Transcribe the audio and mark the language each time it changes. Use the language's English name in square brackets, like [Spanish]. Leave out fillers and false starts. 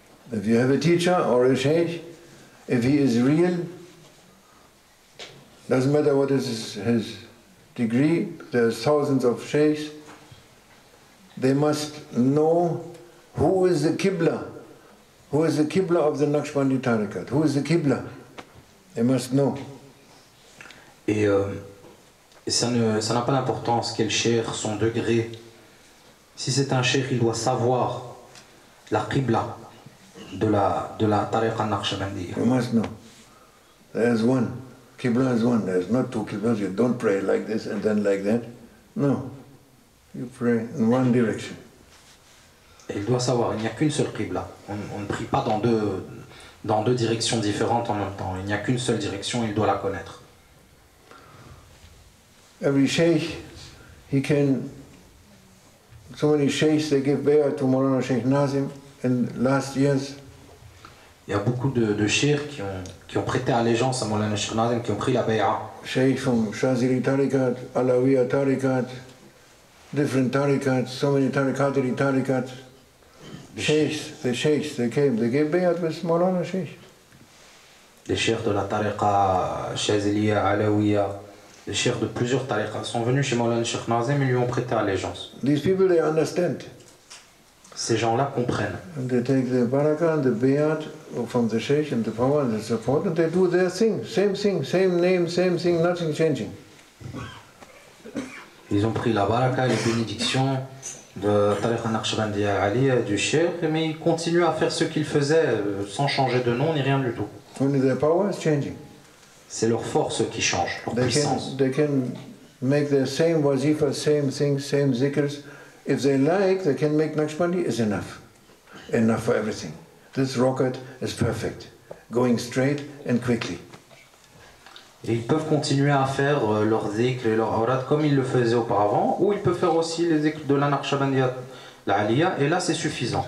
[English] If you have a teacher or a sheikh, if he is real, doesn't matter what is his degree, there are thousands of sheikhs, they must know who is the Qibla, who is the Qibla of the Naqshbandi Tariqat, who is the Qibla, they must know. [French] Et ça n'a pas d'importance quel sheikh, son degré. Si c'est un sheikh, il doit savoir la Qibla de la tariqa Naqshbandi. [English] You must know. There's one. Qibla is one. There's not two Qiblas. You don't pray like this and then like that. No. You pray in one direction. [French] Et il doit savoir, il n'y a qu'une seule Qibla. On ne prie pas dans deux directions différentes en même temps. Il n'y a qu'une seule direction, il doit la connaître. [English] Every sheikh, he can... So many sheikhs, they give bayah to Maulana Sheikh Nazim. In last years, [French] Il y a beaucoup de chers qui ont prêté allégeance à Moulana Cheikh Nazim, qui ont pris la baya. [English] Sheikh from Shaziri Tarikat, Alawiya Tarikat, different Tarikat, so many Tarikatiri Tarikat. The sheikhs, they came, they gave bayat with Moulana Sheikh. [French] Les chers de la Tariqa Shaziliya, Alawiya, les chers de plusieurs Tariqas sont venus chez Moulana Cheikh Nazim et lui ont prêté allégeance. [English] These people, they understand. [French] Ces gens-là comprennent. [English] And they take the baraka and the bayat from the sheikh and the power and the support and they do their thing, same name, same thing, nothing changing. [French] Ils ont pris la baraka, les bénédictions de Tariqa Naqshbandiya Ali et du sheikh, mais ils continuent à faire ce qu'ils faisaient sans changer de nom ni rien du tout. [English] Only their power is changing. [French] C'est leur force qui change, leur [English] they [French] puissance. [English] They can make the same wazifa, same thing, same zikrs. If they like, they can make Naqshbandi is enough for everything. This rocket is perfect, going straight and quickly. [French] Et ils peuvent continuer à faire leurs zikrs et leurs awrad comme ils le faisaient auparavant, ou ils peuvent faire aussi les zikrs de la Naqshbandiya, la Aliya, et là c'est suffisant.